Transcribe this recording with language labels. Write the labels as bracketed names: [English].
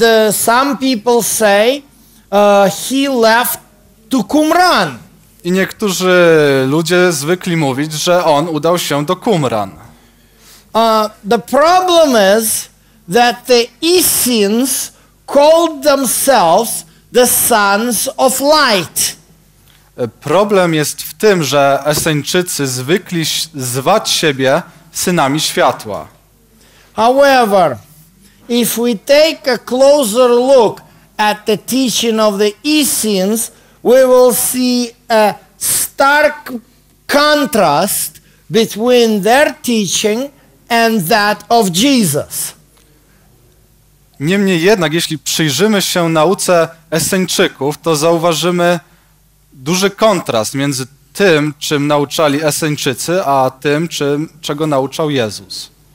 [English] Some people say he left to Qumran. [Polish] I niektórzy ludzie zwykli mówić, że on udał się do Qumran. [English] The problem is that the Essenes called themselves the sons of light. [Polish] Problem jest w tym, że Eseńczycy zwykli zwać siebie synami światła. [English] However, if we take a closer look at the teaching of the Essenes, we will see a stark contrast between their teaching and that of Jesus. [Polish] Niemniej jednak, jeśli przyjrzymy się nauce Eseńczyków, to zauważymy duży kontrast między tym, czym nauczali Eseńczycy, a tym, czego nauczał Jezus.